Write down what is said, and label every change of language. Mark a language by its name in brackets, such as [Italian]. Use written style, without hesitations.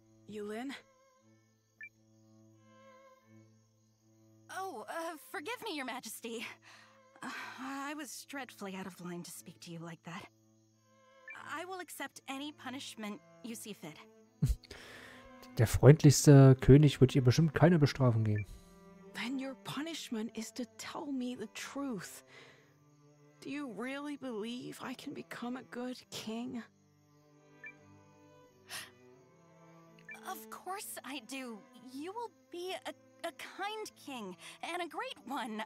[English] Yulin? Oh, forgive me, your majesty. I was dreadfully out of line to speak to you like that. I will accept any punishment you see fit. [German] Der freundlichste König wird ihr bestimmt keine Bestrafung geben. [English] Then your punishment is to tell me the truth. Do you really believe I can become a good king? Of course I do. You will be a kind king and a great one.